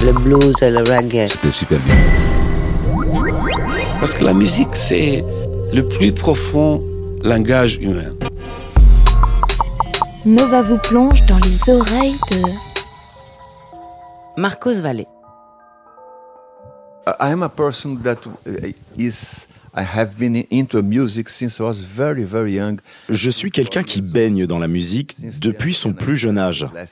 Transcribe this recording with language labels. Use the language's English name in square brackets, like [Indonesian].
[French] Le blues et le reggae. C'était super bien. Parce que la musique, c'est le plus profond langage humain. Nova vous plonge dans les oreilles de Marcos Valle. [English] I am a person that is I have been into music since I was very very young. [French] Je suis quelqu'un qui baigne dans la musique depuis son plus jeune âge.